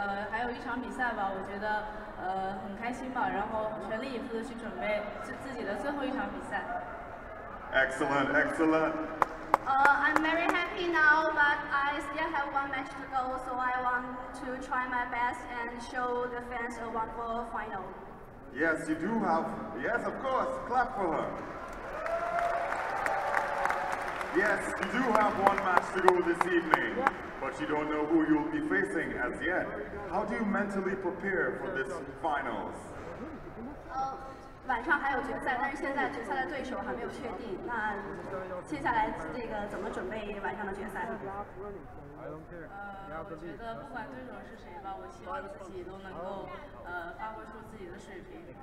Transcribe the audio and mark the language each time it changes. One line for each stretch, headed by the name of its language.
Chinese: 还有一场比赛吧，我觉得很开心吧，然后全力以赴的去准备自己的最后一场比赛。
English: Excellent, excellent. I'm very happy now, but I still have one match to go, so I want to try my best and show the fans a wonderful final. Yes, you do have. Yes, of course. Clap for her. Yes, you do have one match to go this evening. Yeah. But you don't know who you'll be facing as yet. How do you mentally prepare for this finals?
Chinese: 晚上还有决赛，但是现在决赛的对手还没有确定。那接下来这个怎么准备晚上的决赛？我觉得不管对手是谁吧，我希望自己都能够发挥出自己的水平。